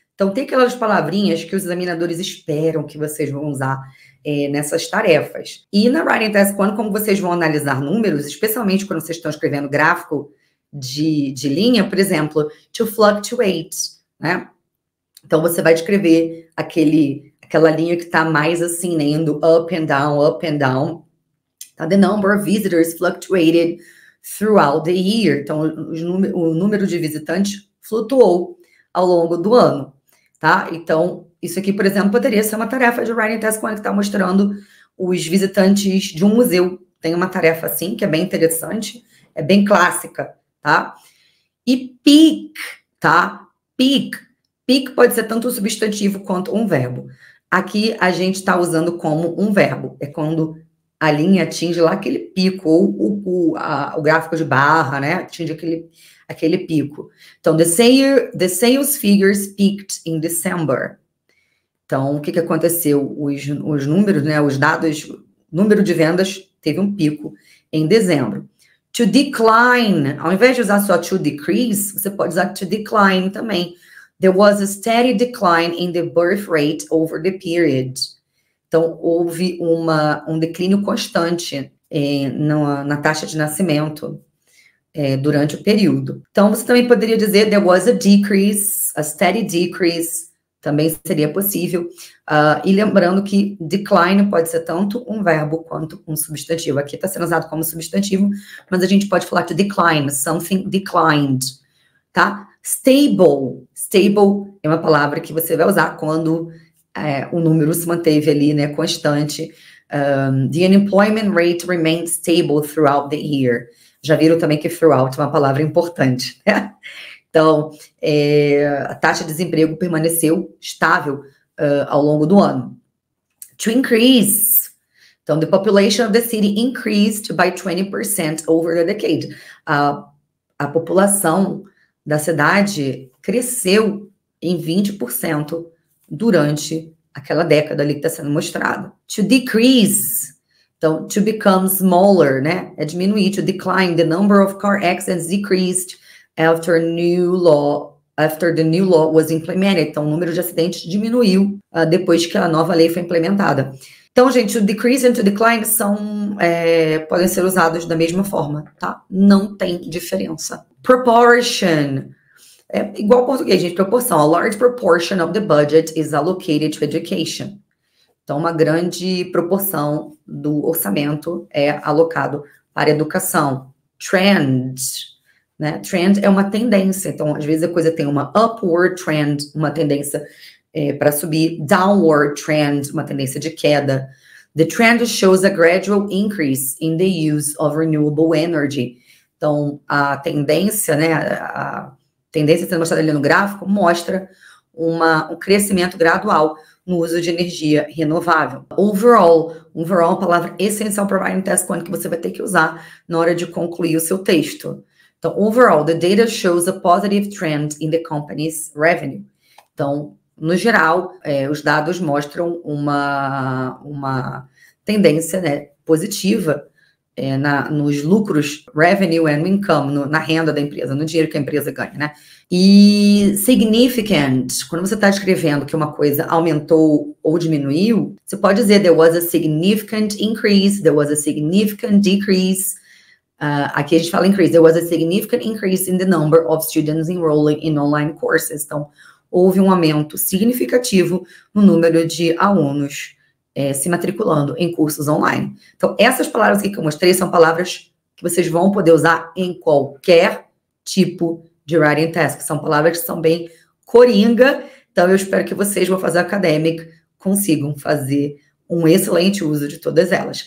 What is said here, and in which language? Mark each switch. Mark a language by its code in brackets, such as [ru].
[pt] Então, tem aquelas palavrinhas que os examinadores esperam que vocês vão usar nessas tarefas. E na Writing Task 1, como vocês vão analisar números, especialmente quando vocês estão escrevendo gráfico de linha, por exemplo, to fluctuate, né? Então, você vai descrever aquela linha que está mais assim, né? Indo [en] up and down... The number of visitors fluctuated throughout the year. [pt] Então, o número de visitantes flutuou ao longo do ano, tá? Então, isso aqui, por exemplo, poderia ser uma tarefa de Writing Task 1 que está mostrando os visitantes de um museu. Tem uma tarefa assim, que é bem interessante, é bem clássica, tá? E peak, tá? Peak. Peak pode ser tanto um substantivo quanto um verbo. Aqui, a gente está usando como um verbo. É quando a linha atinge lá aquele pico, ou o gráfico de barra, né? Atinge aquele pico. Então, [en] the sales figures peaked in December. [pt] Então, o que que aconteceu? Os números, né? Os dados, número de vendas teve um pico em dezembro. To decline, ao invés de usar só to decrease, você pode usar to decline também. [en] There was a steady decline in the birth rate over the period. [pt] Então, houve um declínio constante na taxa de nascimento durante o período. Então, você também poderia dizer [en] there was a decrease, a steady decrease, [pt] também seria possível. E lembrando que decline pode ser tanto um verbo quanto um substantivo. Aqui está sendo usado como substantivo, mas a gente pode falar [en] to decline, something declined, [pt] tá? Stable, stable é uma palavra que você vai usar quando o número se manteve ali, né, constante. [en] The unemployment rate remained stable throughout the year. [pt] Já viram também que throughout é uma palavra importante, né? Então, a taxa de desemprego permaneceu estável ao longo do ano. [en] To increase. Então, the population of the city increased by 20% over the decade. [pt] A população da cidade cresceu em 20% durante aquela década ali que está sendo mostrada. [en] To decrease, então, to become smaller, né? [pt] É diminuir, [en] to decline, the number of car accidents decreased after the new law was implemented. [pt] Então, o número de acidentes diminuiu depois que a nova lei foi implementada. Então, gente, to decrease and to decline podem ser usados da mesma forma, tá? Não tem diferença. Proportion. É igual ao português, gente, proporção. [en] A large proportion of the budget is allocated to education. [pt] Então, uma grande proporção do orçamento é alocado para educação. Trend, né? Trend é uma tendência. Então, às vezes a coisa tem uma upward trend, uma tendência para subir. Downward trend, uma tendência de queda. [en] The trend shows a gradual increase in the use of renewable energy. [pt] Então, a tendência, né? Tendência sendo mostrada ali no gráfico, mostra um crescimento gradual no uso de energia renovável. Overall, é uma palavra essencial para o Writing Task 1 que você vai ter que usar na hora de concluir o seu texto. [en] Então, overall, the data shows a positive trend in the company's revenue. [pt] Então, no geral, os dados mostram uma tendência, né, positiva nos lucros, [en] revenue and income, [pt] na renda da empresa, no dinheiro que a empresa ganha, né? E significant, quando você está escrevendo que uma coisa aumentou ou diminuiu, você pode dizer [en] there was a significant increase, there was a significant decrease. [pt] Aqui a gente fala [en] increase, there was a significant increase in the number of students enrolling in online courses. [pt] Então, houve um aumento significativo no número de alunos se matriculando em cursos online. Então, essas palavras aqui que eu mostrei são palavras que vocês vão poder usar em qualquer tipo de writing task. São palavras que são bem coringa, então eu espero que vocês, vão fazer academic, consigam fazer um excelente uso de todas elas.